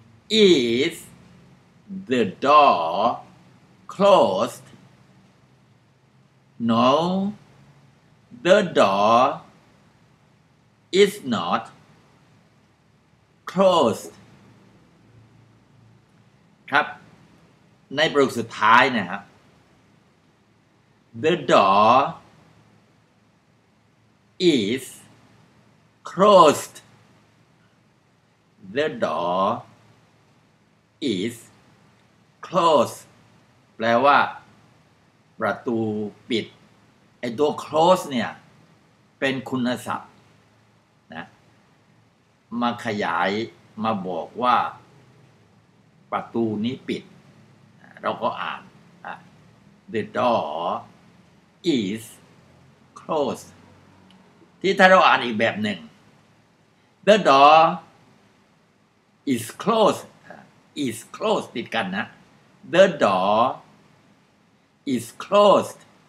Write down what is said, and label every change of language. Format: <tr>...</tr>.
<en>Is the door closed? No, the door is not closed.</en> <th>ครับในประโยคสุดท้ายนะครับ</th> <en>The door is closed. The door is closed.</en> <th>แปลว่าประตูปิดไอ้ตัว close เนี่ยเป็นคุณศัพท์นะมาขยายมาบอกว่าประตูนี้ปิดเราก็อ่าน</th> <en>The door is closed.</en> <th>ที่ถ้าเราอ่านอีกแบบหนึ่ง</th> <en>The door is closed. Is closed</en> <th>ติดกันนะ</th> <en>The door is closed.</en>